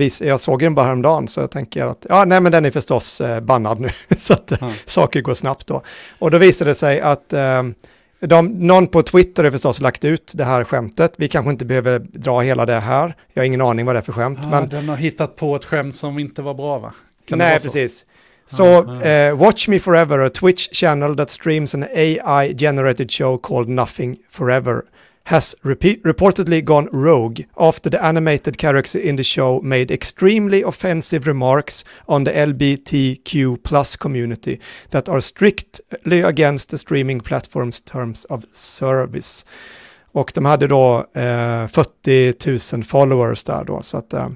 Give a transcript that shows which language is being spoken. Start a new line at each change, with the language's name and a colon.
Swedish: Jag såg den bara häromdagen, så jag tänker att, ja, nej, men den är förstås bannad nu. Så att saker går snabbt då. Och då visade det sig att någon på Twitter har förstås lagt ut det här skämtet. Vi kanske inte behöver dra hela det här. Jag har ingen aning vad det är för skämt. Ja, men den har hittat på ett skämt som inte var bra, va? Kan nej, precis.
English: Så Watch Me Forever, a Twitch channel that streams an AI-generated show called Nothing Forever, has reportedly gone rogue after the animated character in the show made extremely offensive remarks on the LGBTQ plus community that are strictly against the streaming platform's terms of service.
Swedish: Och de hade då 40 000 followers där då, så att